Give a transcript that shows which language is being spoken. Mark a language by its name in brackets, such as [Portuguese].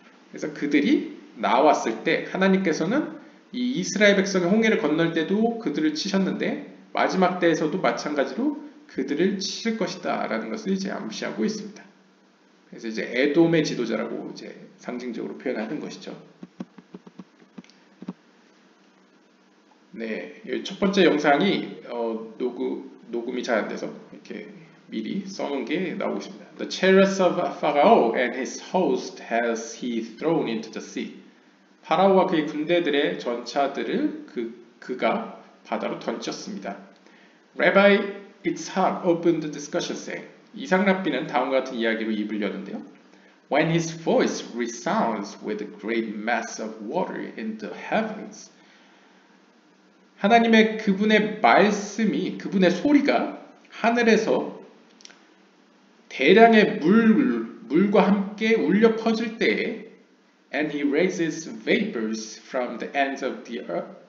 [Korean] 그래서 그들이 나왔을 때 하나님께서는 이 이스라엘 백성의 홍해를 건널 때도 그들을 치셨는데 마지막 때에서도 마찬가지로 그들을 치실 것이다 라는 것을 이제 암시하고 있습니다. 그래서 이제 에돔의 지도자라고 이제 상징적으로 표현하는 것이죠. 네, 첫 번째 영상이 녹음이 잘 안 돼서 이렇게 미리 써놓은 게 나오고 있습니다. [English] The chariots of Pharaoh and his host has he thrown into the sea. [Korean] 파라오와 그의 군대들의 전차들을 그가 바다로 던졌습니다. [English] Rabbi Itzhak opened the discussion saying, [Korean] 이삭 랍비는 다음과 같은 이야기로 입을 여는데요. [English] When his voice resounds with a great mass of water in the heavens, [Korean] 하나님의 그분의 말씀이, 그분의 소리가 하늘에서 대량의 물과 함께 울려 퍼질 때에 [English] And he raises vapors from the ends of the earth.